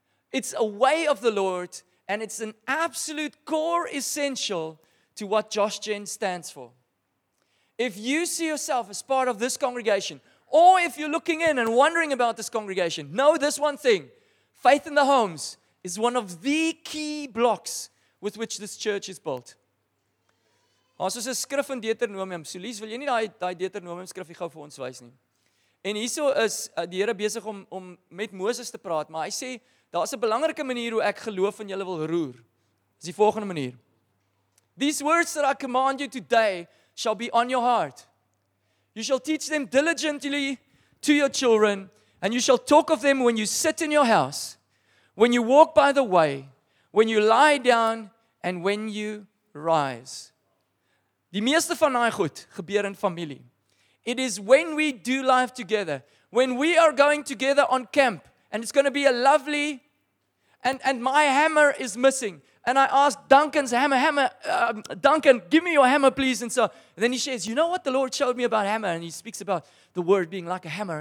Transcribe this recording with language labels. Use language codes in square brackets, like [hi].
[en] It's a way of the Lord and it's an absolute core essential to what Josh Jen stands for. If you see yourself as part of this congregation, or if you're looking in and wondering about this congregation, know this one thing. Faith in the homes is one of the key blocks with which this church is built. [af] Ons is 'n skrif in Deuteronomium. So Lies, wil jy nie daai Deuteronomium skrifie gou vir ons wys nie? En hierso is die Here besig om met Moses te praat, maar hy sê, daar's 'n belangrike manier hoe ek geloof in julle wil roer. Is die volgende manier. [en] These words that I command you today shall be on your heart. You shall teach them diligently to your children, and you shall talk of them when you sit in your house, when you walk by the way, when you lie down, and when you rise. [af] Die meeste van daai goed gebeur in familie. [en] It is when we do life together, when we are going together on camp, and it's going to be a lovely, and my hammer is missing. And I asked Duncan's hammer, Duncan, give me your hammer, please. And so and then he says, you know what the Lord showed me about hammer? And he speaks about the word being like a hammer.